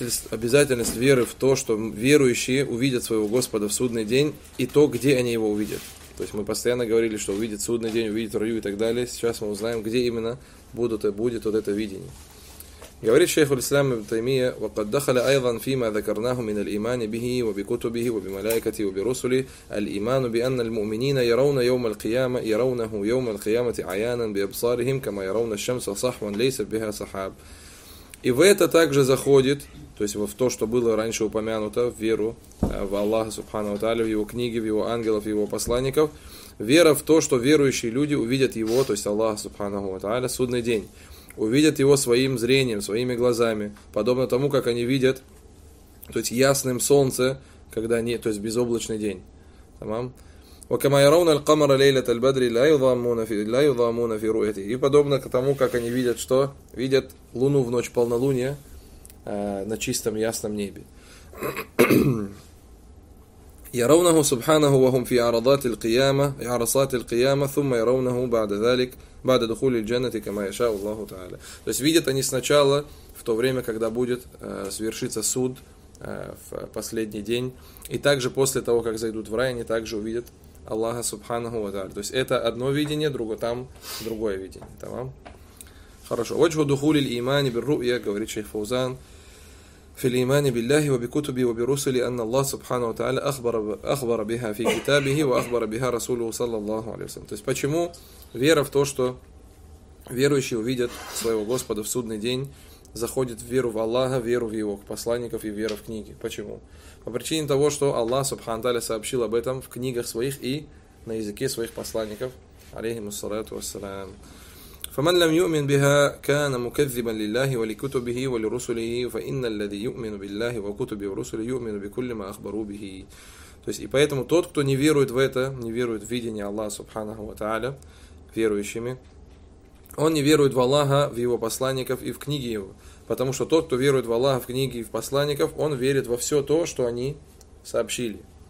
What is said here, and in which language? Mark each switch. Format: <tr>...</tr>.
<ru>Обязательность веры в то, что верующие увидят своего Господа в судный день и то, где они его увидят. То есть мы постоянно говорили, что увидят судный день, увидят раю и так далее. Сейчас мы узнаем, где именно будет вот это видение. Говорит шейх аль-Ислам ибн Таймия:</ru> <ar>وقد دخل أيضا فيما ذكرناه من الإيمان به وبكتبه وبملائكته وبرسله الإيمان بأن المؤمنين يرون يوم القيامة يرونه يوم القيامة عيانا بأبصارهم كما يرون الشمس صحوا ليس بها صحاب.</ar> <ru>И в это также заходит, то есть в то, что было раньше упомянуто, в веру в Аллаха Субхана ва Тааля, в его книги, в его ангелов, в его посланников, вера в то, что верующие люди увидят его, то есть Аллаха Субхана ва Тааля, судный день, увидят его своим зрением, своими глазами, подобно тому, как они видят, то есть ясным солнце, когда они, то есть безоблачный день. Тамам.</ru> <ar>وكما يرون القمر ليلة البدر لا يضامون في لا يضامون في رؤيته.</ar> <ru>И подобно к тому, как они видят что? Видят луну в ночь полнолуния на чистом ясном небе.</ru> <ar>يرونه سبحانه وهم في عرصات القيامة عرصات القيامة ثم يرونه بعد ذلك بعد دخول الجنة كما يشاء الله تعالى.</ar> <ru>То есть видят они сначала в то время, когда будет свершиться суд в последний день, и также после того, как зайдут в рай, они также увидят Аллаха Субханаху ва Тааля. То есть это одно видение, другое там, другое видение. Тамам. Хорошо.</ru> <ar>وجه دخول الإيمان بالرؤية,</ar> <ru>говорит шейх Фаузан,</ru> <ar>في الإيمان بالله وبكتبه وبرسله أن الله سبحانه وتعالى أخبر بها في كتابه وأخبر بها رسوله صلى الله عليه وسلم.</ar> <ru>То есть почему вера в то, что верующие увидят своего Господа в судный день, заходит в веру в Аллаха, в веру в его посланников и веру в книги? Почему? По причине того, что Аллах Субхану Тааля сообщил об этом в книгах своих и на языке своих посланников, алейхиму салату вассалям.</ru> <ar>فمن لم يؤمن بها كان مكذبا لله ولكتبه ولرسله فإن الذي يؤمن بالله وكتبه ورسله يؤمن بكل ما أخبروا به.</ar> <ru>То есть и поэтому тот, кто не верует в это, не верует в видение Аллаха Субхану Тааля верующими, он не верует в Аллаха, в его посланников и в книги его. Потому что тот, кто верует в Аллаха, в книги и в посланников, он верит во все то, что они сообщили.</ru>